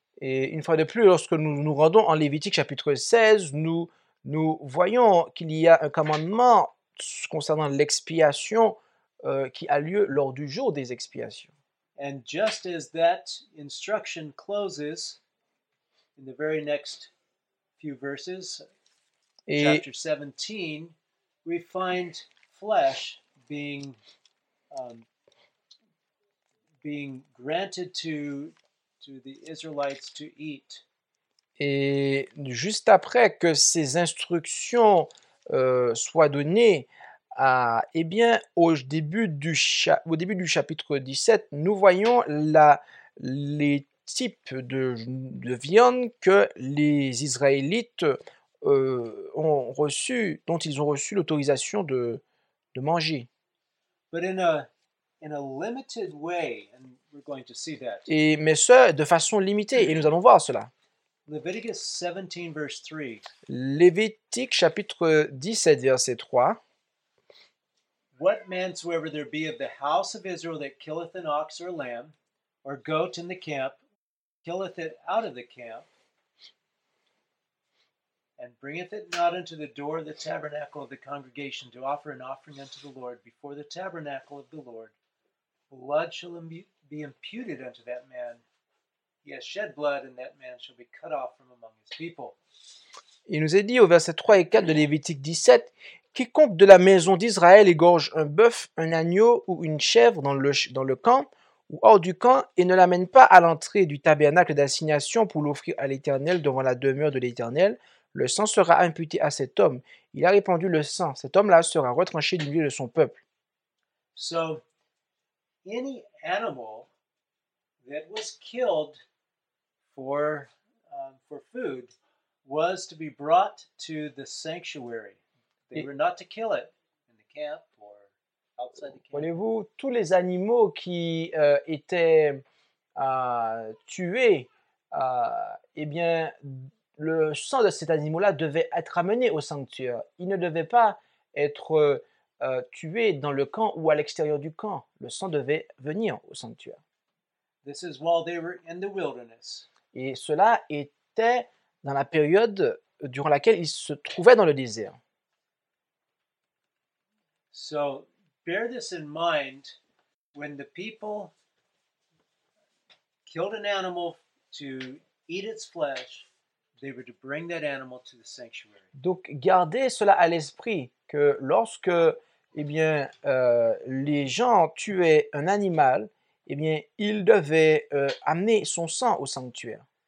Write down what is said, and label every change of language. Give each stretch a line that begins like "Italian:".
French: Et une fois de plus, lorsque nous nous rendons en Lévitique chapitre 16, nous voyons qu'il y a un commandement concernant l'expiation qui a lieu lors du jour des expiations.
English: And just as that instruction closes in the very next few verses, chapter 17, we find flesh being granted to the Israelites to eat.
French: Et juste après que ces instructions soient données, eh bien, au début du chapitre 17, nous voyons les types de viande que les Israélites ont reçues, dont ils ont reçu l'autorisation de manger.
English: But in a limited way, and we're going to see that.
French: Et mais ce, de façon limitée, et nous allons voir cela.
English: Leviticus 17, verse 3.
French: Lévitique chapitre 17, verset 3.
English: What man soever there be of the house of Israel that killeth an ox or lamb, or goat in the camp, killeth it out of the camp, and bringeth it not unto the door of the tabernacle of the congregation to offer an offering unto the Lord before the tabernacle of the Lord, blood shall be imputed unto that man. He has shed blood, and that man shall be cut off from among his people.
French: Il nous est dit au verset 3 et 4 de Lévitique 17, quiconque de la maison d'Israël égorge un bœuf, un agneau ou une chèvre dans le camp ou hors du camp et ne l'amène pas à l'entrée du tabernacle d'assignation pour l'offrir à l'Éternel devant la demeure de l'Éternel, le sang sera imputé à cet homme. Il a répandu le sang. Cet homme-là sera retranché du milieu de son peuple.
English: So, any animal that was killed for food was to be brought to the sanctuary. They were not to kill it in the camp or outside the camp.
French: Voyez-vous, tous les animaux qui étaient tués, eh bien, le sang de cet animal-là devait être amené au sanctuaire. Il ne devait pas être tué dans le camp ou à l'extérieur du camp. Le sang devait venir au sanctuaire.
English: This is while they were in the wilderness.
French: Et cela était dans la période durant laquelle ils se trouvaient dans le désert.
English: So, bear this in mind when the people killed an animal to eat its flesh. They were to bring that animal to the sanctuary.
French: Donc, gardez cela à l'esprit que lorsque, eh bien, les gens tuaient un animal, eh bien, ils devaient amener son sang au sanctuaire.